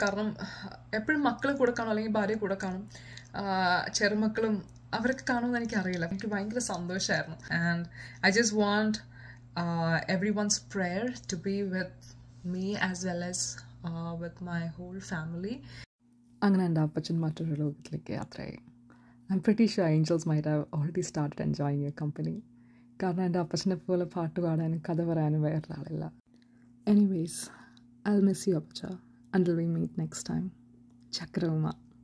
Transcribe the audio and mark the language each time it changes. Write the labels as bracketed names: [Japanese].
[Malayalam] കാരണം എപ്പോഴും മക്കൾ കൂടെ കാണും, അല്ലെങ്കിൽ ഭാര്യ കൂടെ കാണും, ചെറുമക്കളും അവരൊക്കെ കാണുമെന്ന് എനിക്കറിയില്ല. എനിക്ക് ഭയങ്കര സന്തോഷമായിരുന്നു. [English] And I just want every one's prayer to be with me as well as with my whole family. [Malayalam] അങ്ങനെ എൻ്റെ അപ്പച്ചൻ മറ്റൊരു ലോകത്തിലേക്ക് യാത്രയായി. [English] I'm pretty sure angels might have already started enjoying your company. [Malayalam] കാരണം എൻ്റെ അപ്പച്ചനെ പോലെ പാട്ട് പാടാനും കഥ പറയാനും വേറൊരാളില്ല. [English] Anyways, I will miss you അപ്പച്ച. Until we meet next time. ചക്രവുമാ.